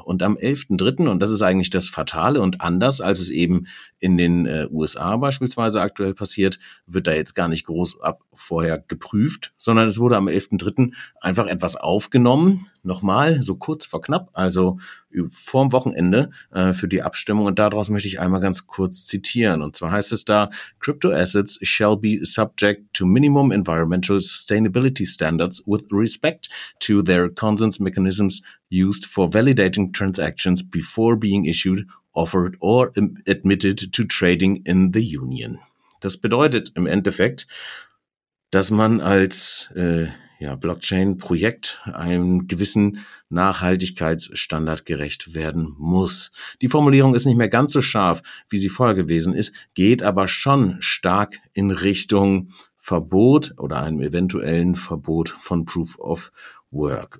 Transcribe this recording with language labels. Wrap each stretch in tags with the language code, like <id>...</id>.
<de>Und am 11.03., und das ist eigentlich das Fatale und anders, als es eben in den USA beispielsweise aktuell passiert, wird da jetzt gar nicht groß ab vorher geprüft, sondern es wurde am 11.03. einfach etwas aufgenommen, nochmal so kurz vor knapp, also vorm Wochenende für die Abstimmung. Und daraus möchte ich einmal ganz kurz zitieren. Und zwar heißt es da,</de> <en>Crypto assets shall be subject to minimum environmental sustainability standards with respect to their consensus mechanisms used for validating transactions before being issued, offered or admitted to trading in the Union.</en> <de>Das bedeutet im Endeffekt, dass man als Blockchain-Projekt einem gewissen Nachhaltigkeitsstandard gerecht werden muss. Die Formulierung ist nicht mehr ganz so scharf, wie sie vorher gewesen ist, geht aber schon stark in Richtung Verbot oder einem eventuellen Verbot von Proof of Work.</de>